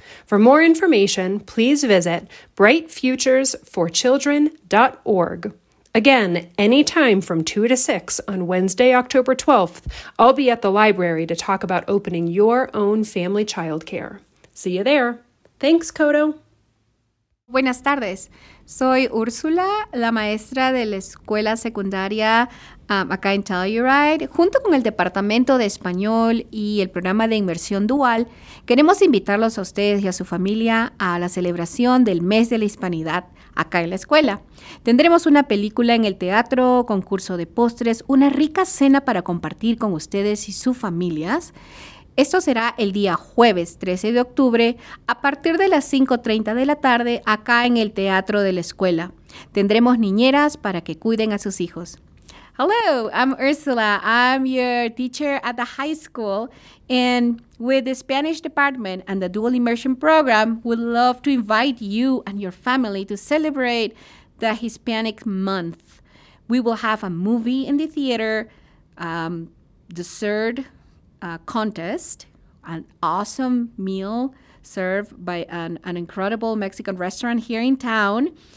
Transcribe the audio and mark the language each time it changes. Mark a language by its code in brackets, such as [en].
[en] For more information, please visit brightfuturesforchildren.org. Again, anytime from 2 to 6 on Wednesday, October 12th, I'll be at the library to talk about opening your own family childcare. See you there. Thanks, Kodo. [es] Buenas tardes. Soy Úrsula, la maestra de la escuela secundaria acá en Telluride. Junto con el Departamento de Español y el programa de inmersión dual, queremos invitarlos a ustedes y a su familia a la celebración del mes de la Hispanidad acá en la escuela. Tendremos una película en el teatro, concurso de postres, una rica cena para compartir con ustedes y sus familias. Esto será el día jueves 13 de octubre a partir de las 5:30 de la tarde acá en el Teatro de la Escuela. Tendremos niñeras para que cuiden a sus hijos. [en] Hello, I'm Ursula. I'm your teacher at the high school. And with the Spanish department and the dual immersion program, we'd love to invite you and your family to celebrate the Hispanic month. We will have a movie in the theater, dessert, contest, an awesome meal served by an incredible Mexican restaurant here in town.